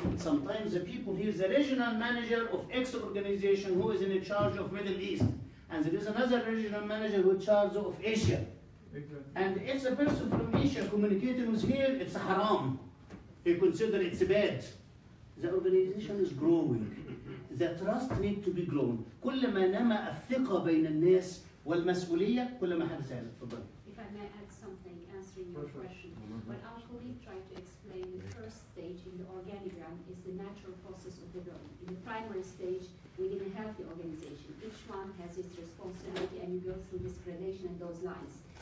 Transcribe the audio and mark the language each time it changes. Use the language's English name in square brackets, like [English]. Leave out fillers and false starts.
[English] Sometimes the people here is the regional manager of X organization who is in charge of Middle East. And there is another regional manager who is in charge of Asia. And if the person from Asia communicating with here, it's a haram. You consider it's bad. The organization is growing. The trust need to be grown. [Arabic] كل ما نما الثقة بين الناس والمسؤولية كل ما حدث هذا. تفضل. [English] If I may add something answering your question, what our colleague tried to explain, the first stage in the organigram is the natural process of development. In the primary stage, within a healthy organization, each one has its responsibility, and you go through this gradation and those lines.